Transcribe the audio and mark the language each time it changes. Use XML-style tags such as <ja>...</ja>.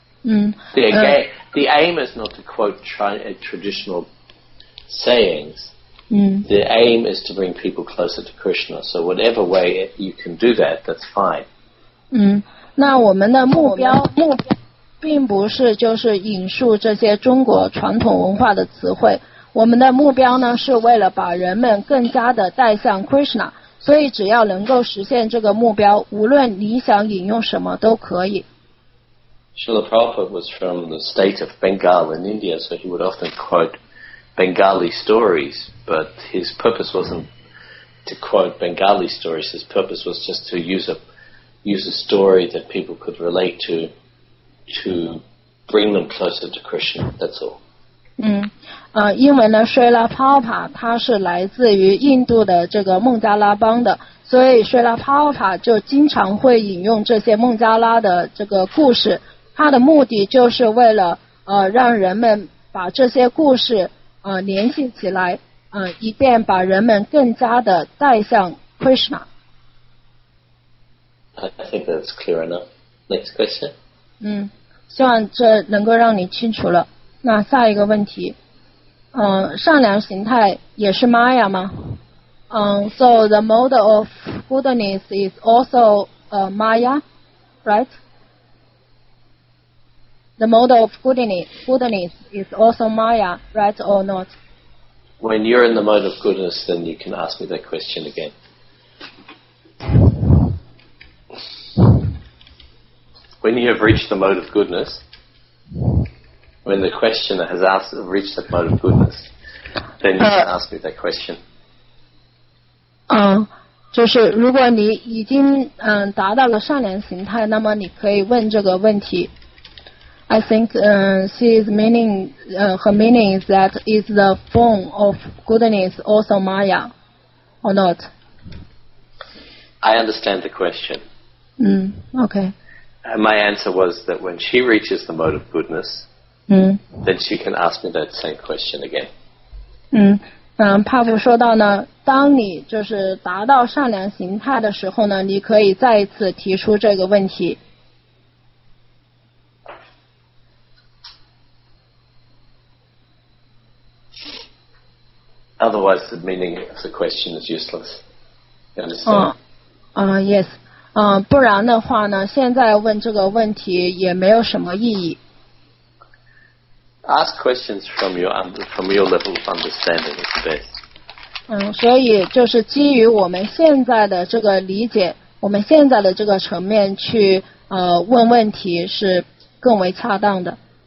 <en>The aim is not to quote traditional sayings. The aim is to bring people closer to Krishna. So whatever way you can do that, that's fine.</en> <zh>那我们的目标并不是就是引述这些中国传统文化的词汇。我们的目标呢，是为了把人们更加的带向 Krishna。所以只要能够实现这个目标，无论你想引用什么都可以。</zh> <en>Srila Prabhupada was from the state of Bengal in India, so he would often quote Bengali stories, but his purpose wasn't to quote Bengali stories, his purpose was just to use a story that people could relate to bring them closer to Krishna, that's all.</en> <zh>因为呢 Srila Prabhupada 他是来自于印度的这个孟加拉邦的，所以 Srila Prabhupada 就经常会引用这些孟加拉的这个故事，他的目的就是为了让人们把这些故事联系起来，以便把人们更加的带向 Krishna.</zh> <en>I think that's clear enough. Next question.</en> <zh>希望这能够让你清楚了。那下一个问题，善良形态也是 Maya 吗？</zh> <en>So the model of goodness is also Maya, right? The model of goodness is also Maya, right or not? when you're in the mode of goodness, then you can ask me that question again. When you have reached the mode of goodness, when the questioner has asked, reached that mode of goodness, then you can ask me that question.</en> <zh>就是如果你已经达到了善良形态，那么你可以问这个问题。</zh> <en>I think she's meaning, her meaning is that is the form of goodness also Maya or not? I understand the question. Okay. And my answer was that when she reaches the mode of goodness, then she can ask me that same question again.</en> <zh>帕夫说到呢，当你就是达到善良形态的时候呢，你可以再一次提出这个问题。</zh> <en>Otherwise, the meaning of the question is useless. You understand? Yes.</en> <zh>不然的话呢，现在问这个问题也没有什么意义。</zh> <en>Ask questions from your level of understanding is best.</en> <zh>所以就是基于我们现在的这个理解，我们现在的这个层面去问问题是更为恰当的。</zh>